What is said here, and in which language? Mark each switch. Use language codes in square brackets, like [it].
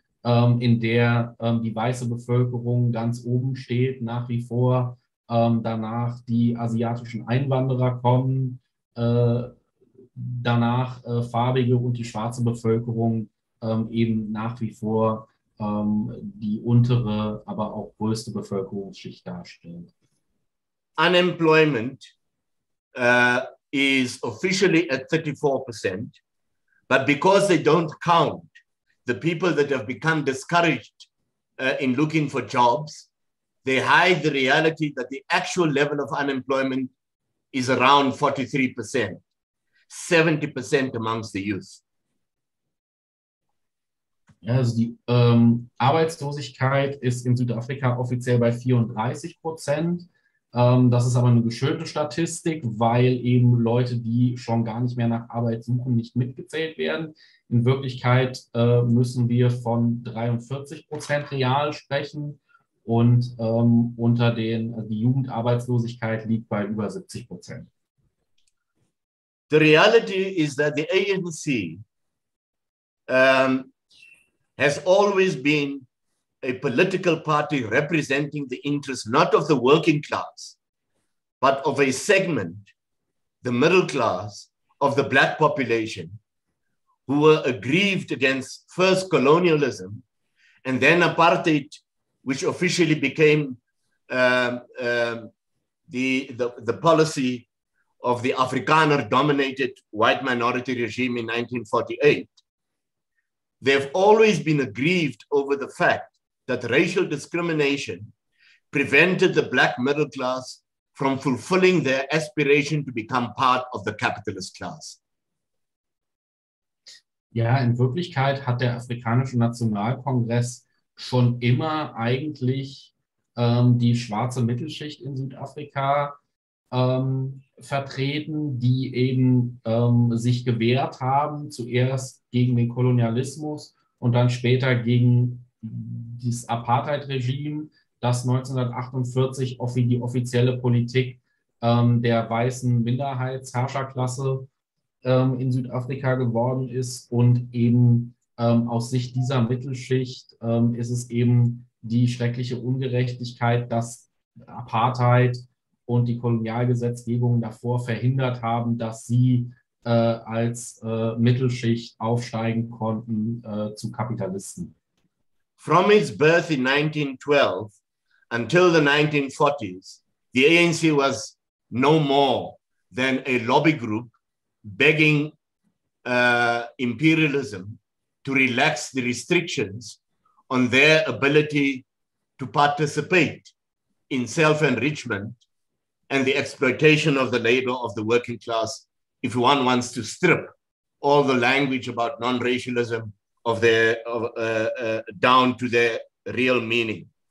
[de] in der die weiße Bevölkerung ganz oben steht, nach wie vor danach die asiatischen Einwanderer kommen, danach farbige und die schwarze Bevölkerung eben nach wie vor die untere, aber auch größte Bevölkerungsschicht darstellt. [en] Unemployment is officially at 34%, but because they don't count the people that have become discouraged in looking for jobs, they hide the reality that the actual level of unemployment is around 43%, 70% amongst the youth. [de] Ja, also die Arbeitslosigkeit ist in Südafrika offiziell bei 34%. Das ist aber eine geschönte Statistik, weil eben Leute, die schon gar nicht mehr nach Arbeit suchen, nicht mitgezählt werden. In Wirklichkeit müssen wir von 43% real sprechen und unter den die Jugendarbeitslosigkeit liegt bei über 70%. [en] The reality is that the ANC has always been a political party representing the interests not of the working class, but of a segment, the middle class, of the black population, who were aggrieved against first colonialism and then apartheid, which officially became the policy of the Afrikaner-dominated white minority regime in 1948. They have always been aggrieved over the fact that racial discrimination prevented the black middle class from fulfilling their aspiration to become part of the capitalist class. [de] Ja, in Wirklichkeit hat der Afrikanische Nationalkongress schon immer eigentlich die schwarze Mittelschicht in Südafrika vertreten, die eben sich gewehrt haben, zuerst gegen den Kolonialismus und dann später gegen das Apartheid-Regime, das 1948 die offizielle Politik der weißen Minderheitsherrscherklasse in Südafrika geworden ist. Und eben aus Sicht dieser Mittelschicht ist es eben die schreckliche Ungerechtigkeit, dass Apartheid und die Kolonialgesetzgebung davor verhindert haben, dass sie als Mittelschicht aufsteigen konnten zu Kapitalisten. [en] From its birth in 1912 until the 1940s, the ANC was no more than a lobby group begging imperialism to relax the restrictions on their ability to participate in self-enrichment and the exploitation of the labor of the working class, if one wants to strip all the language about non-racialism of their down to their real meaning.